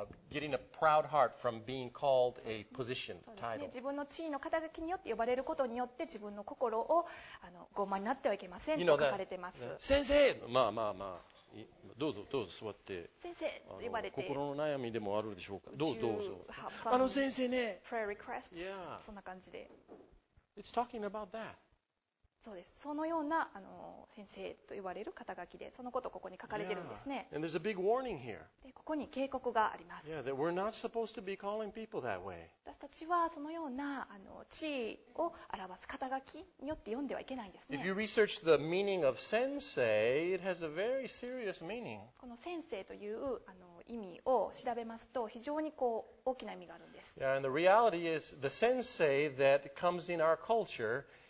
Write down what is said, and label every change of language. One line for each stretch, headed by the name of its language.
English: getting a proud heart from being called a position, title.
Japanese: 自分の地位の肩書きによって呼ばれることによって自分の心を傲慢になってはいけませんと書かれてます。先生、まあまあまあ、どうぞどうぞ座って。先生と呼ばれて。心の悩みでもあるでしょうか。どうぞどうぞ。先生ね。
English: Prayer requests. Yeah.
Japanese: そんな感じで。
English: It's talking about that.
Japanese: そうです。そのような先生と言われる肩書きで、そのことをここに書かれているんですね。
English: Yeah. And there's a big warning here.
Japanese: で、ここに警告があります。
English: Yeah, that we're not supposed to be calling people that way.
Japanese: 私たちはそのような地位を表す肩書きによって読んではいけないんですね。
English: If you research the meaning of sensei, it has a very serious meaning.
Japanese: この先生という意味を調べますと、非常にこう大きな意味があるんです。
English: Yeah, and the reality is the sensei that comes in our culture.